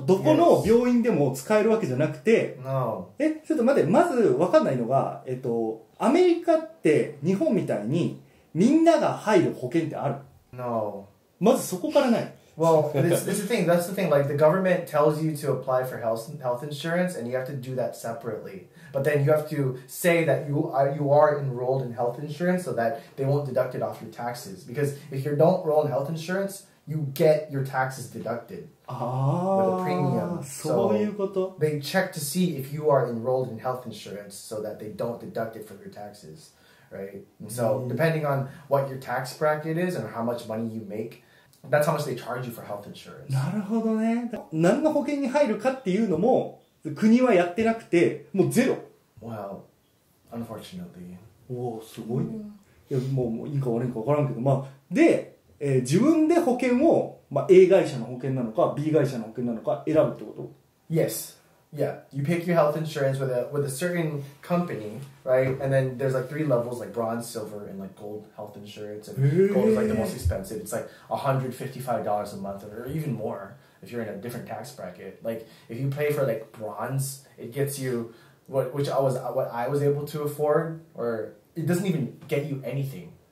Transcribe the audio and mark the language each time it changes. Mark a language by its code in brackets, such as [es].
[ja] どこの病院でも使えるわけじゃなくて。 [en] No. [ja] え、ちょっと待って。まず分かんないのが、アメリカって日本みたいにみんなが入る保険ってある [en] ？No. [ja] まずそこからない。 [en] Well, this is the thing. That's the thing. Like, the government tells you to apply for health insurance, and you have to do that separately. But then you have to say that you are enrolled in health insurance so that they won't deduct it off your taxes. Because if you don't enroll in health insurance, you get your taxes deducted. Ah, with a premium. [ja] そういうこと。 [en] So they check to see if you are enrolled in health insurance so that they don't deduct it from your taxes. Right? So, depending on what your tax bracket is and how much money you make, that's how much they charge you for health insurance. [ja] なるほどね。何の保険に入るかっていうのも、国はやってなくて、もうゼロ。 [en] Well, unfortunately. [ja] おお、すごいね。いや、もういいか悪いか分からんけど、まあ、で、自分で保険を、まあ、A 会社の保険なのか、B 会社の保険なのか選ぶってこと？ [en] Yes. Yeah, you pick your health insurance with a certain company, right? And then there's like three levels, like bronze, silver, and like gold health insurance. And gold is like the most expensive. It's like $155 a month or even more if you're in a different tax bracket. Like if you pay for like bronze, it gets you what I was able to afford, or it doesn't even get you anything.